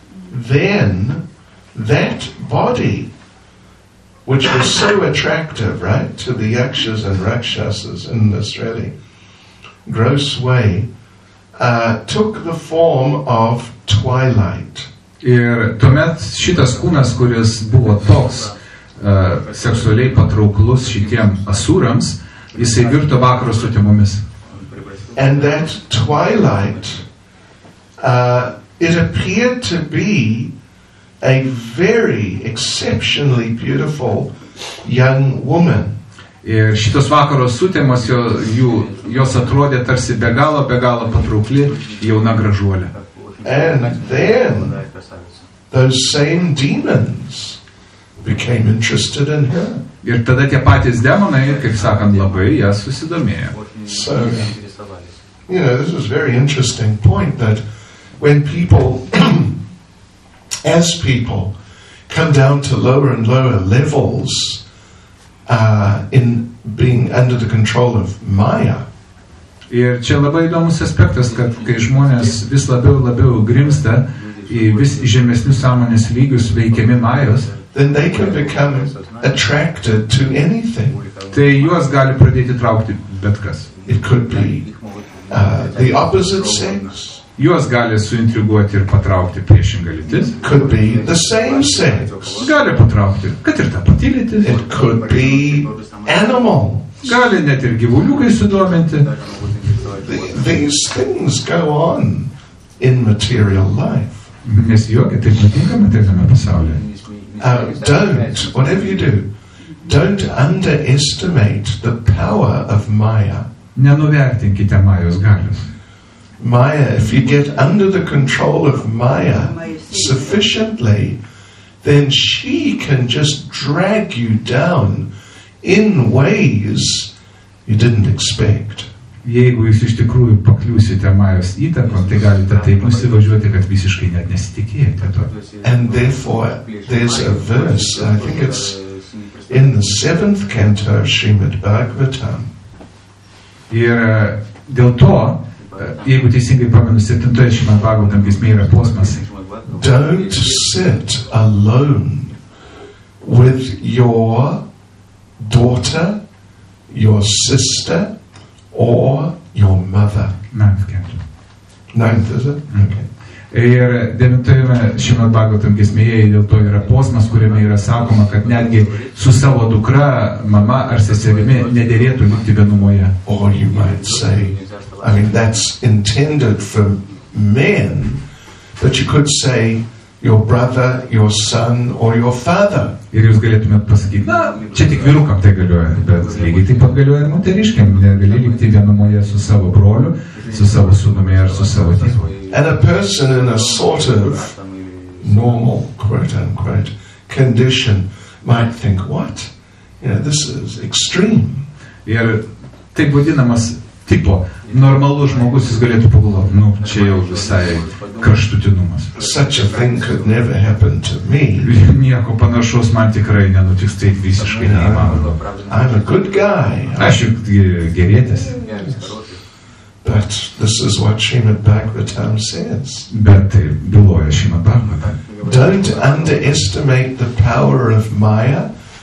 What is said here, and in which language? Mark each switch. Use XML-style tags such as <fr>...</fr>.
<en>Then that body, which was so attractive, right, to the yakshas and rakshasas in this really gross way, took the form of twilight.</en> <lt>Ir tuomet šitas kūnas, kuris buvo toks seksualiai patrauklus šitiem asūrams, jisai virto vakaro sutemomis.</lt> <en>And that twilight, it appeared to be a very exceptionally beautiful young woman.</en> <lt>Ir šitos vakaro sutemos jos atrodė tarsi be galo patraukli jauna gražuolė.</lt> <en>And then those same demons became interested in her.</en> <lt>Ir tada tie patys demonai, kaip sakant, labai ją susidomėjo.</lt> <en>So, you know, this is a very interesting point that when people as people come down to lower and lower levels in being under the control of Maya.</en> <lt>Ir čia labai įdomus aspektas, kad kai žmonės vis labiau ir labiau grimsta į vis žemesnius sąmonės lygius veikiami Majos,</lt> <en>then they can become attracted to anything.</en> <lt>Tai juos gali pradėti traukti bet kas.</lt> <en>It could be the opposite sex.</en> <lt>Juos gali suintriguoti ir patraukti priešingą lytis.</lt> <en>Could be the same sex.</en> <lt>Gali patraukti, kad ir tą patį lytį.</lt> <en>It could be animal.</en> <lt>Gali net ir gyvuliukai sudominti.</lt> <en>These things go on in material life.</en> <lt>Nes jokia taip nutinka materialiame pasaulyje.</lt> <en>Don't, whatever you do, don't underestimate the power of Maya.</en> <lt>Nenuvertinkite Majos galios.</lt> <en>Maya, if you get under the control of Maya sufficiently, then she can just drag you down in ways you didn't expect.</en> <lt>Jeigu jūs iš tikrųjų pakliūsite Majos įtaką, tai galite taip nusivažiuoti, kad visiškai net nesitikėjate to.</lt> <en>And therefore, there's a verse, I think it's in the 7th canto of Srimad Bhagavatam.</en> <lt>Ir dėl to, jeigu teisingai pamenu, 7 Šrimad Bhagavatam giesmė yra posmas.</lt> <en>Don't sit alone with your daughter, your sister, or your mother. 9th canto. 9th, is it? Okay.</en> <lt>Ir 9 Šrimad Bhagavatam giesmėje dėl to yra posmas, kuriame yra sakoma, kad netgi su savo dukra, mama ar seserimi nederėtų likti vienumoje.</lt> <en>Or you might say, I mean, that's intended for men, but you could say your brother, your son, or your father.</en> <lt>Ir jūs galėtumėt pasakyti, na, čia tik vyrukam tai galioja, bet lygiai taip pat galioja ir moteriškiam. Negali likti vienumoje su savo broliu, su savo sūnumi ar su savo tėvu.</lt> <en>And a person in a sort of normal, quote-unquote, condition might think, what? You know, this is extreme.</en> <lt>Ir taip vadinamas tipo, normalus žmogus jis galėtų pagalvoti, nu, čia jau visai kraštutinumas.</lt> <en>Such a thing could never happen to me.</en> <lt>Nieko panašaus man tikrai nenutiks, tai visiškai neįmanoma.</lt> <en>I'm a good guy.</en> <lt>Aš juk gerėtis.</lt> <en>But this is what Srimad Bhagavatam says.</en> <lt>Bet tai byloja Srimad Bhagavatam.</lt> <en>Don't underestimate the power of Maya.</en>